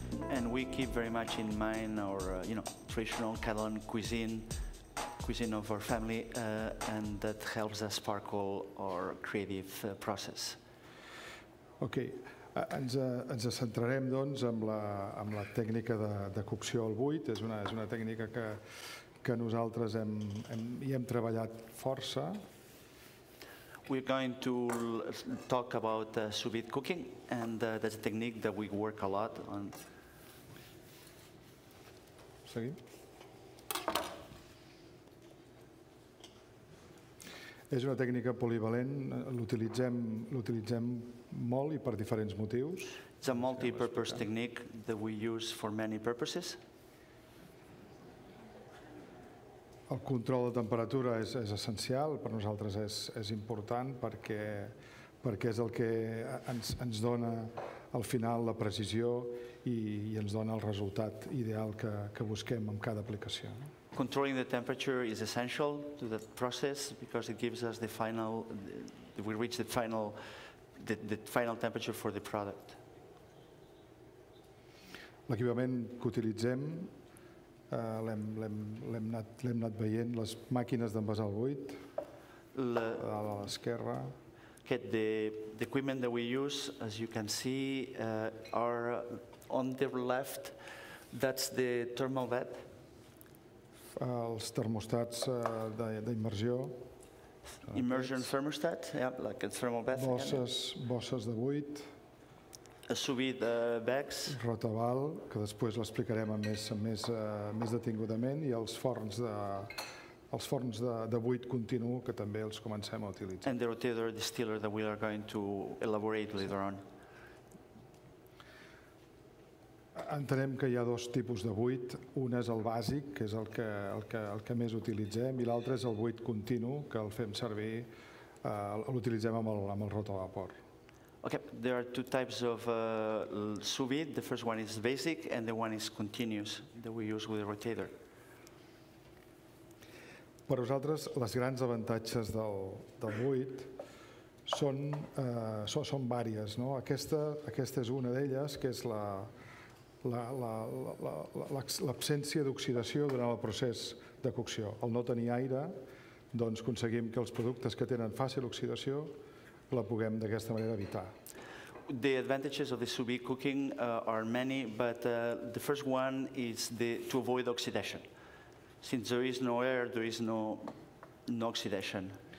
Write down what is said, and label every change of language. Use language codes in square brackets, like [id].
[en] And we keep very much in mind our, traditional Catalan cuisine of our family, and that helps us sparkle our creative process. [ca] Okay, ens centrarem doncs amb la tècnica de cocció al buit. És una tècnica que nosaltres hem treballat força. [en] We're going to talk about sous vide cooking, and that's a technique that we work a lot on. [ca] És una tècnica polivalent, l'utilitzem molt i per diferents motius. [en] It's a multi-purpose technique that we use for many purposes. [ca] El control de temperatura és essencial, per nosaltres és important, perquè és el que ens dona al final la precisió i ens dona el resultat ideal que busquem amb cada aplicació. [en] Controlling the temperature is essential to that process because it gives us the final, we reach the final temperature for the product. [ca] L'equipament que utilitzem, l'hem anat veient, les màquines d'envasar al buit, a l'esquerra. [en] The equipment that we use, as you can see, are on the left. That's the thermal vat. [ca] Els termostats d'immersió. [en] Immersion thermostat, yeah, like a thermal vat. [ca] Bosses de buit. [en] Sous-vide bags. [ca] Rotaval, que després l'explicarem més detingudament, i els forns de buit continu, que també els comencem a utilitzar. [en] And the rotator distiller that we are going to elaborate later on. [ca] Entenem que hi ha dos tipus de buit. Un és el bàsic, que és el que més utilitzem, i l'altre és el buit continu, que el fem servir l'utilitzem amb el rotor a vapor. [en] Okay, there are two types of sous vide. The first one is basic and the one is continuous that we use with the rotator. [ca] Per nosaltres, les grans avantatges del buit són són vàries, no? Aquesta és una d'elles, que és l'absència d'oxidació durant el procés de cocció. Al no tenir aire, doncs aconseguim que els productes que tenen fàcil oxidació la puguem d'aquesta manera evitar. [en] The advantages of the sous vide cooking are many, but the first one is to avoid oxidation. Since there is no air, there is no oxidation.